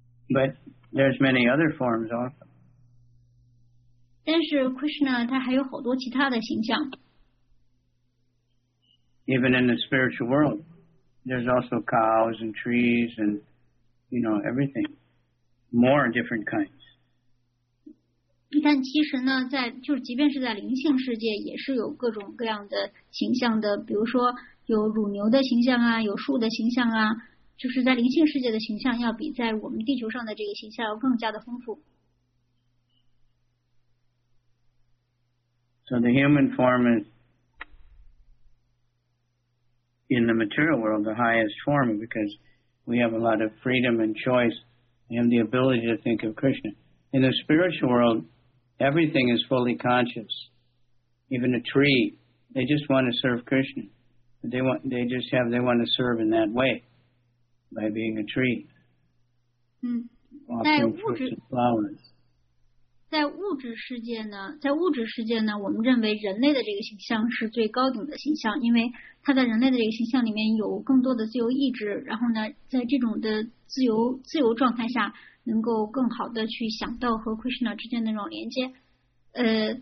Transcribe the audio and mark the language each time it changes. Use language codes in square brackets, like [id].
[en] But there's many other forms also. [zh] 但是 Krishna, 他还有好多其他的形象。 [en] Even in the spiritual world. There's also cows and trees and, you know, everything. More different kinds. [zh] 但其实呢，在就即便是在灵性世界，也是有各种各样的形象的。比如说有乳牛的形象啊，有树的形象啊，就是在灵性世界的形象要比在我们地球上的这个形象要更加的丰富。 [en] So the human form is. In the material world, the highest form, because we have a lot of freedom and choice and the ability to think of Krishna. In the spiritual world, everything is fully conscious. Even a tree, they just want to serve Krishna. They want to serve in that way, by being a tree. Offering fruits and flowers. [zh] 在物质世界呢，在物质世界呢，我们认为人类的这个形象是最高等的形象，因为它在人类的这个形象里面有更多的自由意志，然后呢，在这种的自由状态下，能够更好的去想到和 Krishna 之间的那种连接。